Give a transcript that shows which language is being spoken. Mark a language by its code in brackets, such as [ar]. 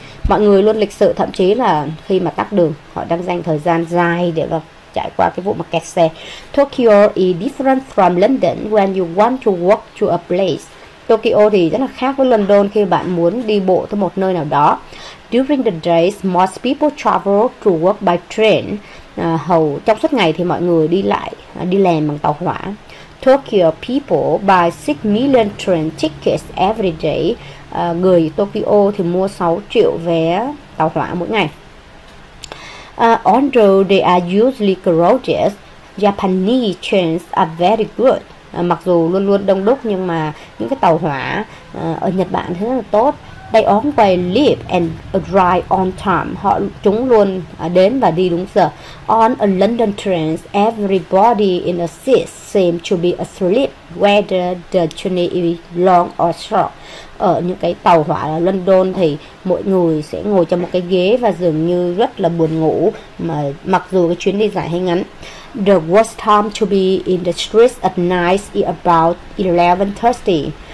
[vi] Mọi người luôn lịch sự, thậm chí là khi mà tắc đường, họ đang dành thời gian dài để mà trải qua cái vụ mà kẹt xe. [en] Tokyo is different from London when you want to walk to a place. [vi] Tokyo thì rất là khác với London khi bạn muốn đi bộ tới một nơi nào đó. [en] During the days, most people travel to work by train. [vi] Hầu trong suốt ngày thì mọi người đi lại đi làm bằng tàu hỏa. [en] Tokyo people buy 6 million train tickets every day. [vi] Người Tokyo thì mua 6 triệu vé tàu hỏa mỗi ngày. [en] Although they are usually crowded, Japanese trains are very good. [vi] Mặc dù luôn luôn đông đúc nhưng mà những cái tàu hỏa ở Nhật Bản thì rất là tốt. [en] They always leave and arrive on time. [vi] Họ chúng luôn đến và đi đúng giờ. [en] On a London train, everybody in a seat seem to be asleep, whether the journey is long or short. [vi] Ở những cái tàu hỏa ở London thì mọi người sẽ ngồi trong một cái ghế và dường như rất là buồn ngủ, mà mặc dù cái chuyến đi dài hay ngắn. [en] The worst time to be in the streets at night is about 11:30.